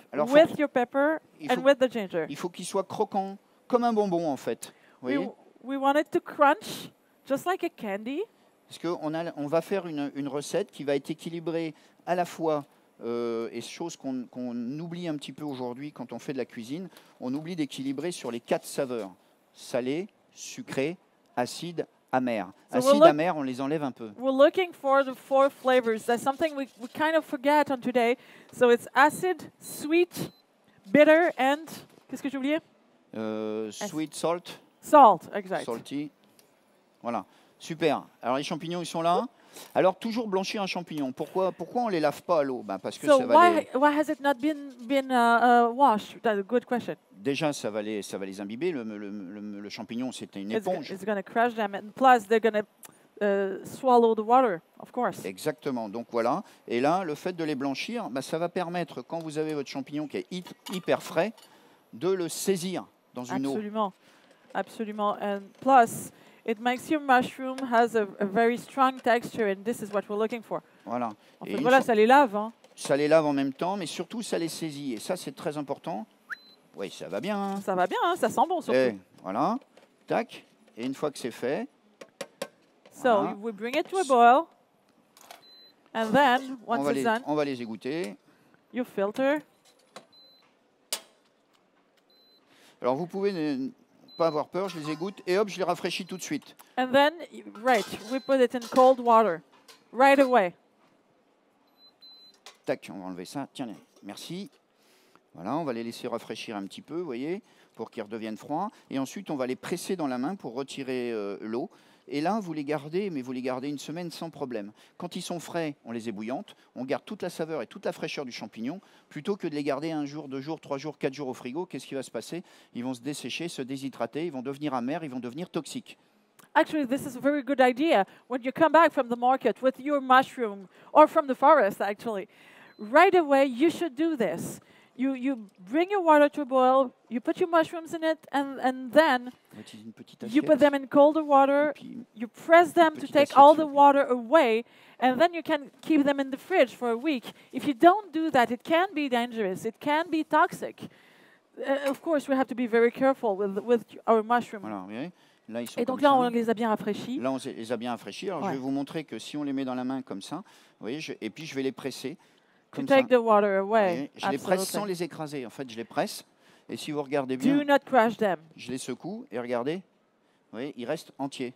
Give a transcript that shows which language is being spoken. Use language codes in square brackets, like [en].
[en] Alors, with your pepper and with the ginger. [fr] Il faut qu'il soit croquant, comme un bonbon en fait. Vous voyez? [en] We want it to crunch, just like a candy. [fr] Parce qu'on va faire une recette qui va être équilibrée à la fois, et chose qu'on oublie un petit peu aujourd'hui quand on fait de la cuisine, on oublie d'équilibrer sur les quatre saveurs. Salé, sucré, acide, amer. Acide, amer, on les enlève un peu. [en] We're looking for the four flavors. That's something we kind of forget on today. So it's acid, sweet, bitter, and... [fr] Qu'est-ce que j'ai oublié? [en] Sweet, salt. Salt, exact. [fr] Salty. Voilà. Super. Alors, les champignons, ils sont là. Alors, toujours blanchir un champignon. Pourquoi on ne les lave pas à l'eau? Ben, parce que [en] so [fr] ça va les... [en] Why has it not been washed? That's a good question. [fr] Déjà, ça va les imbiber. Le champignon, c'était une éponge. [en] It's going to crush them. And plus, they're going to swallow the water, of course. [fr] Exactement. Donc, voilà. Et là, le fait de les blanchir, ben, ça va permettre, quand vous avez votre champignon qui est hyper frais, de le saisir dans une eau. Absolument. Absolument. [en] And plus... It makes your mushroom has a very strong texture, and this is what we're looking for. [fr] Voilà. En fait, voilà, ça les lave. Hein. Ça les lave en même temps, mais surtout, ça les saisit. Et ça, c'est très important. Oui, ça va bien. Hein. Ça va bien, hein. Ça sent bon, surtout. Et voilà. Tac. Et une fois que c'est fait... So, voilà. We bring it to a boil. And then, once it's done... On va les égoutter. You filter. Alors, vous pouvez... pas avoir peur, je les égoutte et hop, je les rafraîchis tout de suite. And then, right, we put it in cold water, right away. Tac, on va enlever ça. Tiens, merci. Voilà, on va les laisser rafraîchir un petit peu, vous voyez, pour qu'ils redeviennent froids. Et ensuite, on va les presser dans la main pour retirer l'eau. Et là, vous les gardez une semaine sans problème. Quand ils sont frais, on les ébouillante. On garde toute la saveur et toute la fraîcheur du champignon. Plutôt que de les garder un jour, deux jours, trois jours, quatre jours au frigo, qu'est-ce qui va se passer? Ils vont se dessécher, se déshydrater, ils vont devenir amers, ils vont devenir toxiques. [en] actually, this is a very good idea. When you come back from the market with your mushroom or from the forest, actually, right away you should do this. You bring your water to a boil, you put your mushrooms in it, and then you put them in colder water, you press them to take all the water away, and then you can keep them in the fridge for a week. If you don't do that, it can be dangerous, it can be toxic. Of course, we have to be very careful with our mushrooms. [fr] Voilà, oui. Là, et donc là, ça. On les a bien rafraîchis. Là, on les a bien rafraîchis. Alors, ouais. Je vais vous montrer que si on les met dans la main comme ça, vous voyez, et puis je vais les presser. [en] To take [fr] ça. [en] The water away. [fr] Je [en] absolutely. [fr] Les presse sans les écraser. En fait, je les presse. Et si vous regardez bien, [en] do not crush them. [fr] Je les secoue et regardez, oui, ils restent entiers.